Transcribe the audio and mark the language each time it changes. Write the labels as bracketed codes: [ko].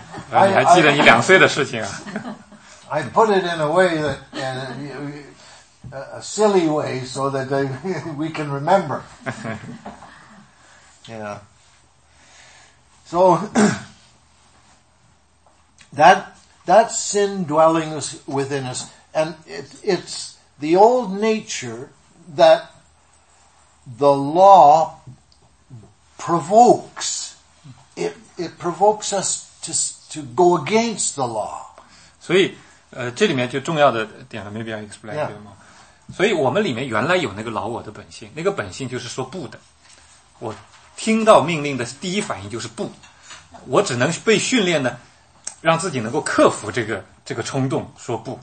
[zh] 你还记得你两岁的事情啊 [en] I put it in a way that, in a silly way so that we can remember. So, that sin dwelling within us, and it's the old nature that the law provokes. It provokes us to go against the law. [zh] 所以这里面就重要的点了 [en] maybe I explain it more. [zh] 所以我们里面原来有那个老我的本性，那个本性就是说不的。我听到命令的第一反应就是不。我只能被训练呢让自己能够克服这个冲动说不。